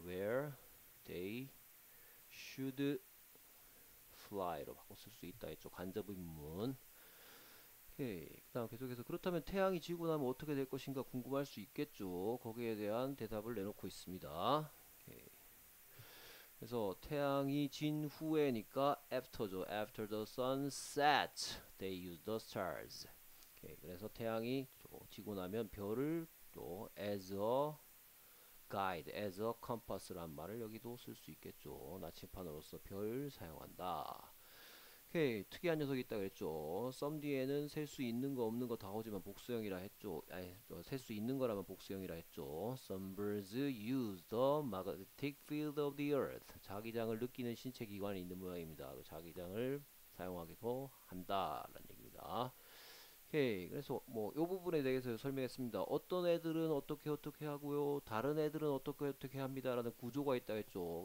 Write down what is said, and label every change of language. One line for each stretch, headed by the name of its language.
Korean: Where they should fly 로 바꿔 쓸수 있다 했죠. 간접 의문. 오케이. 그다음 계속해서 그렇다면 태양이 지고 나면 어떻게 될 것인가 궁금할 수 있겠죠. 거기에 대한 대답을 내놓고 있습니다. 그래서 태양이 진 후에니까 after죠.
English: After the sun sets, they use the stars.
Korean: 오케이. 그래서 태양이 지고 나면 별을 또 as a guide as a compass 란 말을 여기도 쓸수 있겠죠. 나침반으로서 별 사용한다. 오케이, 특이한 녀석이 있다 그랬죠. 썸 뒤에는 셀수 있는 거 없는 거다 오지만 복수형이라 했죠. 아니, 셀수 있는 거라면 복수형이라 했죠.
English: Some birds use the magnetic field of the earth.
Korean: 자기장을 느끼는 신체 기관이 있는 모양입니다. 그 자기장을 사용하기도 한다라는 얘기입니다. 오케이. 그래서 뭐요 부분에 대해서 설명했습니다. 어떤 애들은 어떻게 어떻게 하고요. 다른 애들은 어떻게 어떻게 합니다라는 구조가 있다 했죠.